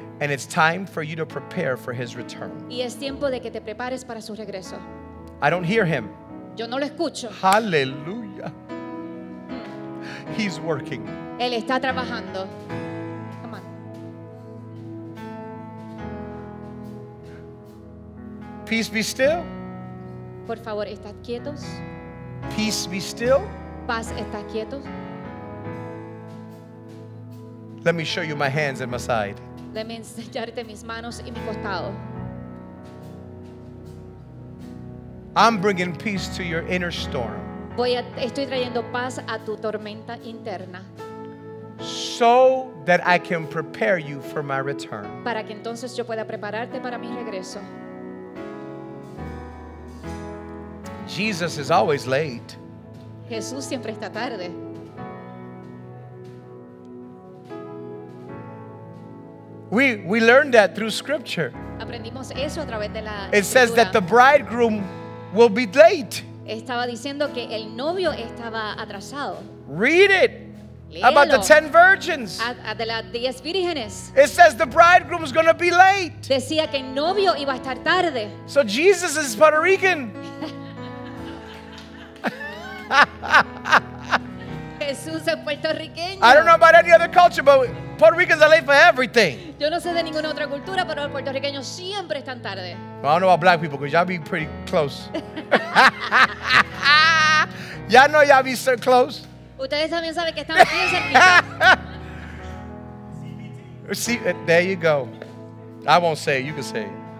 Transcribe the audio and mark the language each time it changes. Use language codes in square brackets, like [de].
[en] And it's time for you to prepare for his return. [es] Y es tiempo de que te prepares para su regreso. [en] I don't hear him. [es] Yo no lo escucho. [en] Hallelujah. He's working. [es] Él está trabajando. [en] Peace be still. [es] Por favor, estad quietos. [en] Peace be still. [es] Paz, estad quietos. [en] Let me show you my hands and my side. Let me [es] enseñarte mis manos y mi costado. [en] I'm bringing peace to your inner storm. [es] Estoy trayendo paz a tu tormenta interna. [en] So that I can prepare you for my return. [es] Para que entonces yo pueda prepararte para mi regreso. [en] Jesus is always late. [es] Jesús siempre está tarde. [en] We learned that through scripture. [es] Aprendimos eso a través de la escritura. [en] It says that the bridegroom will be late. [es] Estaba diciendo que el novio estaba atrasado. [en] Read it. [es] Léelo. [en] About the 10 virgins. [es] De las 10 vírgenes. [en] It says the bridegroom is going to be late. [es] Decía que el novio iba a estar tarde. [en] So Jesus is Puerto Rican. [es] Jesús es puertorriqueño. [en] I don't know about any other culture, but Puerto Ricans are late for everything. [es] Yo no sé de ninguna otra cultura, pero los puertorriqueños siempre están tarde. [en] I don't know about black people, because y'all be pretty close. Y'all know y'all be so close. [es] Ustedes también saben que estamos bien cerquita. [en] There you go. I won't say it, you can say it.